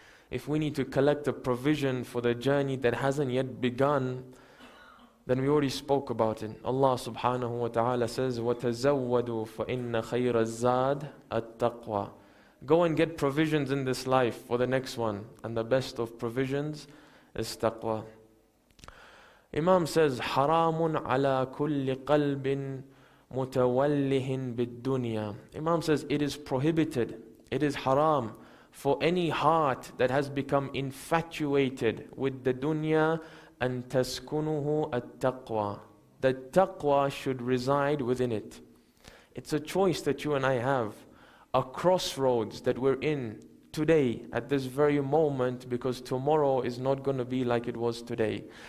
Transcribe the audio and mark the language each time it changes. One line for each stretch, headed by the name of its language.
English: If we need to collect a provision for the journey that hasn't yet begun, then we already spoke about it.
Arabic: Allah subhanahu wa ta'ala says, "وَتَزَوَّدُوا فَإِنَّ خَيْرَ الزَّادِ التَّقْوَى."
English: Go and get provisions in this life for the next one. And the best of provisions is taqwa. Imam says,
Arabic: "حَرَامٌ عَلَى كُلِّ قَلْبٍ مُتَوَلِّهٍ بِالدُّنْيَا."
English: Imam says, it is prohibited, it is haram for any heart that has become infatuated with the dunya, and
Arabic: taskunuhu at-taqwa.
English: The taqwa should reside within it. It's a choice that you and I have, a crossroads that we're in today at this very moment, because tomorrow is not going to be like it was today.